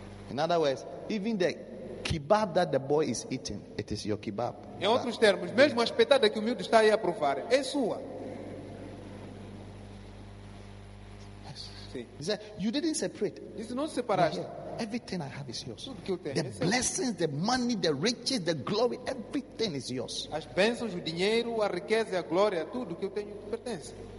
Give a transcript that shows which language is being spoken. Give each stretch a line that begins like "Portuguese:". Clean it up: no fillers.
English: In other words, even the kebab that the boy is eating, it is your kebab.
Portuguese: Em outros termos, mesmo a espetada que o miúdo está aí a provar, é sua.
English: He said, you didn't separate.
Portuguese: Isso não separaste.
English: Everything I have is yours.
Portuguese: Tudo que eu tenho,
English: the blessings, the money, the riches, the glory, everything is yours.
Portuguese: As bênçãos, o dinheiro, a riqueza, a glória, tudo que eu tenho te pertence.